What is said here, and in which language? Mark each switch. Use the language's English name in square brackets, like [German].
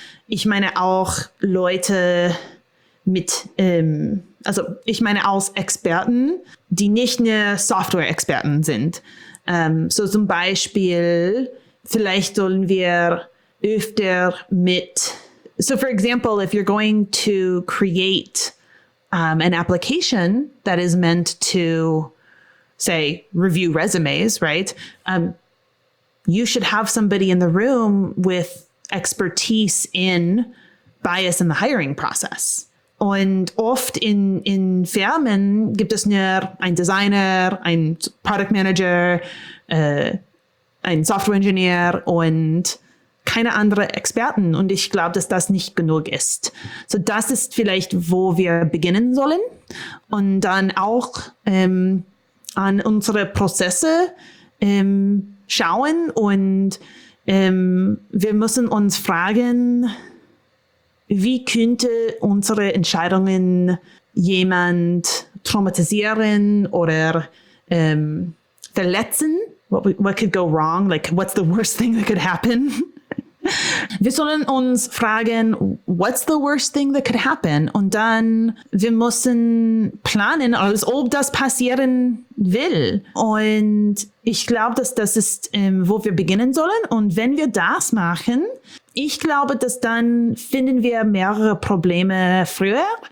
[German] Ich meine auch Leute mit also ich meine aus Experten, die nicht nur Software-Experten sind. So zum Beispiel, vielleicht sollen wir öfter mit... [English] So for example, if you're going to create an application that is meant to, say, review resumes, right? You should have somebody in the room with expertise in bias in the hiring process. [German] Und oft in Firmen gibt es nur einen Designer, einen Product Manager, einen Software Engineer und keine anderen Experten. Und ich glaube, dass das nicht genug ist. So das ist vielleicht, wo wir beginnen sollen. Und dann auch an unsere Prozesse schauen. Und wir müssen uns fragen, wie könnte unsere Entscheidungen jemand traumatisieren oder verletzen? [English] What could go wrong? Like, what's the worst thing that could happen? [German] Wir sollen uns fragen, what's the worst thing that could happen? Und dann, wir müssen planen, als ob das passieren will. Und ich glaube, dass das ist, wo wir beginnen sollen. Und wenn wir das machen, ich glaube, dass dann finden wir mehrere Probleme früher.